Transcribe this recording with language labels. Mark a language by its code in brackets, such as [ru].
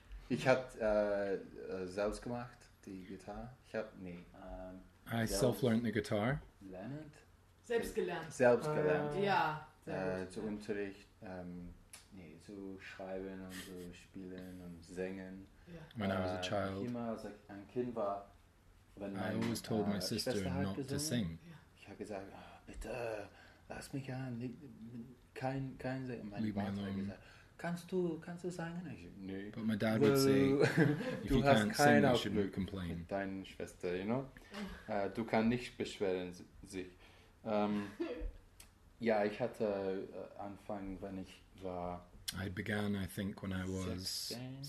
[de] ich habe selbst gemacht die Gitarre ich habe nee [en] I self learned the guitar [de] lernt selbst gelernt ja zu Unterricht nee zu schreiben und so spielen und singen [en] yeah. When I was a child, I always told my sister not to sing. [de] Ich habe gesagt, bitte lass mich an, kein singen. [en] Leave me alone. [de] Kannst du singen? [en] But my dad would say, if you can't sing, you should not complain. [de] Deine Schwester, [en] you know, [de] du kannst nicht beschweren sich. Ja, ich hatte Anfang, wenn ich war. [en] I began, I think, when I was 16.